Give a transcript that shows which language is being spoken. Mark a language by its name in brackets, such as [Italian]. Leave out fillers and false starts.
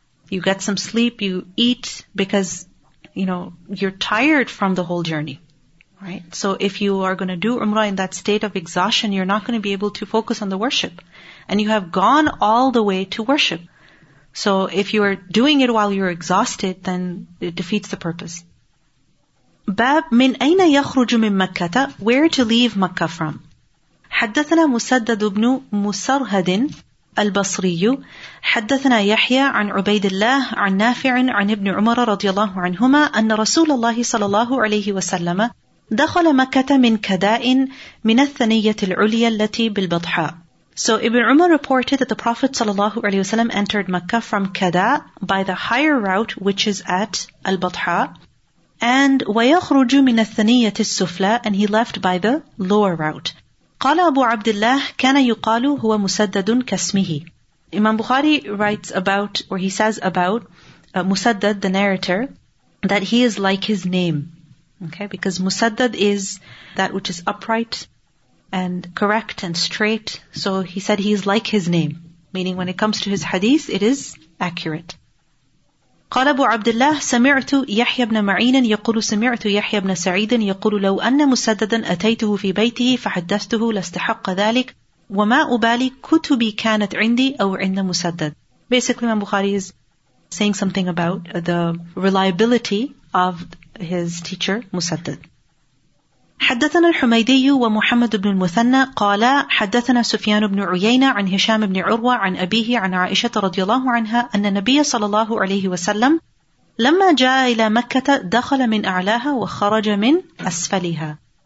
[English] You get some sleep, you eat, because, you know, you're tired from the whole journey. Right? So if you are going to do Umrah in that state of exhaustion, you're not going to be able to focus on the worship. And you have gone all the way to worship. So if you are doing it while you're exhausted, then it defeats the purpose. [Arabic] باب من أين يخرج من مكة؟ [English] Where to leave Makkah from? [Arabic] حدثنا مسدد بن مسرهد البصري حدثنا يحيى عن عبيد الله عن نافع عن ابن عمر رضي الله عنهما أن رسول الله صلى الله عليه وسلم دخل مكة من كداء من الثنية العليا التي بالبطحاء. [English] So Ibn Umar reported that the Prophet sallallahu alaihi wasallam entered Mecca from Kada by the higher route, which is at Al-Batha, and [Arabic] وَيَخْرُجُ مِنَ الثَّنِيَّةِ السُّفْلَى, [English] and he left by the lower route. [Arabic] قَالَ أَبُو عَبْدِ اللَّهِ كَانَ يُقَالُ هُوَ مُسَدَّدٌ كَسْمِهِ. [English] Imam Bukhari writes about, or he says about Musaddad, the narrator, that he is like his name. Okay, because Musaddad is that which is upright and correct and straight. So he said he is like his name, meaning when it comes to his hadith, it is accurate. [Arabic] قال أبو عبد الله سمعت يحيى بن معين يقول سمعت يحيى بن سعيد يقول لو أن مسددا أتيته في بيته فحدثته لاستحق ذلك وما أبالي كتبي كانت عندي أو عند مسدد. [English] Basically, Imam Bukhari is saying something about the reliability of his teacher Musaddad. [Arabic] حدثنا الحميدي ومحمد بن المثنى قال حدثنا سفيان بن عيينة عن هشام بن عروة عن أبيه عن عائشة رضي الله عنها أن النبي صلى الله عليه وسلم لما جاء إلى مكة دخل من أعلاها وخرج من أسفلها.